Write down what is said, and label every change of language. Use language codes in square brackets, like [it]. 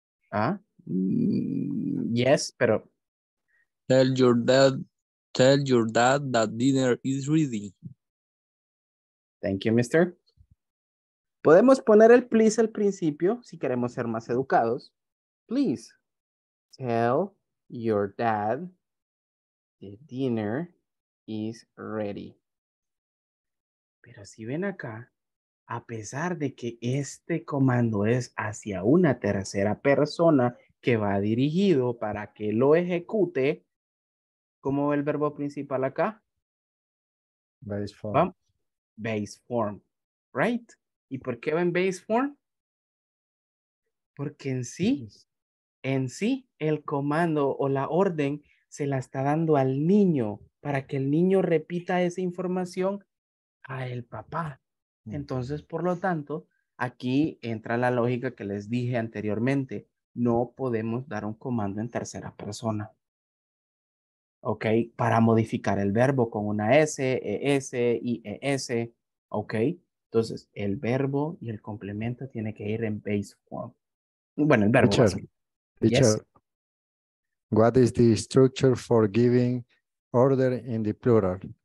[es] Ah, yes, pero. [en] Tell your dad that dinner is ready. Thank you, mister. [es] Podemos poner el please al principio si queremos ser más educados. [en] Please tell your dad the dinner is ready. [es] Pero si ven acá, a pesar de que este comando es hacia una tercera persona que va dirigido para que lo ejecute, ¿cómo ve el verbo principal acá? [en] Base form. ¿Va? Base form, right? [es] ¿Y por qué va en base form? Porque en sí, el comando o la orden se la está dando al niño, para que el niño repita esa información a el papá. Entonces, por lo tanto, aquí entra la lógica que les dije anteriormente. No podemos dar un comando en tercera persona. ¿Ok? Para modificar el verbo con una S, ES, IES. ¿Ok? Entonces, el verbo y el complemento tiene que ir en base form. Bueno, el verbo. [en] Teacher. Yes. What is the structure for giving order in the plural?